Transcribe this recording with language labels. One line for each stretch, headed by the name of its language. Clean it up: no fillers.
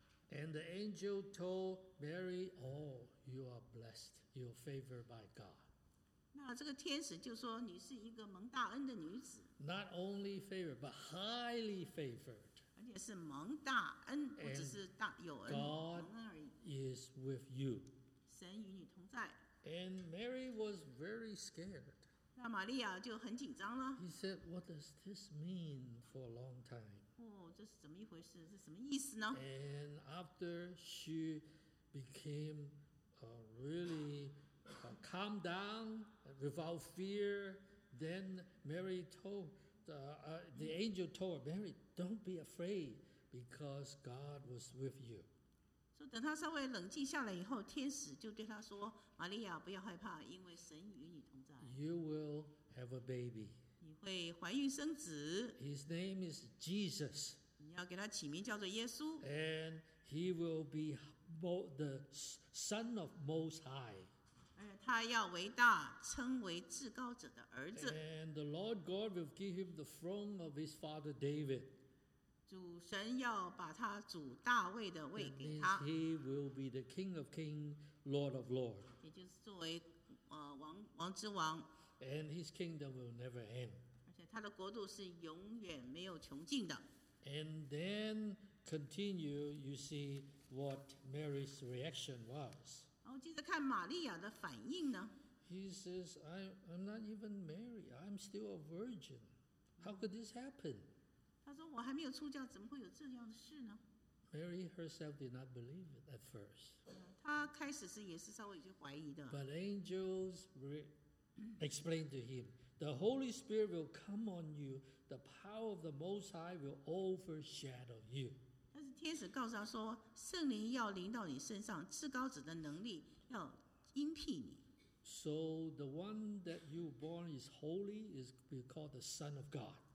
English: And the angel told Mary, oh, you are blessed. You are favored by God.
Chinese: 那这个天使就说你是一个蒙大恩的女子,
English: not only favored, but highly favored.
Chinese: 而且是蒙大恩, 不只是大,
English: and
Chinese: 有恩,
English: God is with you.
Chinese: 神与你同在,
English: and Mary was very scared.
Chinese: 那玛利亚就很紧张了,
English: he said, what does this mean for a long time?
Chinese: 哦, 这是怎么一回事, 这什么意思呢?
English: And after she became really calm down without fear, then Mary told the angel told her, Mary, don't be afraid because God was with you. So
Chinese: 等她稍微冷静下来以后, 天使就对她说, 玛利亚, 不要害怕,
English: you will have a baby.
Chinese: 你会怀孕生子,
English: his name is Jesus.
Chinese: 你要给他起名叫做耶稣,
English: and he will be the Son of Most High.
Chinese: 他要伟大,
English: and the Lord God will give him the throne of his father David.
Chinese: 主神要把他主大卫的位给他,
English: that means he will be the King of Kings, Lord of Lords.
Chinese: 也就是作为, 王, 王之王,
English: and his kingdom will never end.
Chinese: 而且他的国度是永远没有穷尽的。
English: And then continue, you see what Mary's reaction was.
Chinese: 然后接着看玛利亚的反应呢?
English: He says, I'm not even married. I'm still a virgin. How could this happen?
Chinese: 他说我还没有出嫁，怎么会有这样的事呢?
English: Mary herself did not believe it at first.
Chinese: 她开始是也是稍微就怀疑的。
English: But angels explained to him, the Holy Spirit will come on you. The power of the Most High will overshadow you.
Chinese: 天使告诉他说, 圣灵要临到你身上, 至高子的能力要荫蔽你。
English: So the one that you were born is holy, is called the Son of God.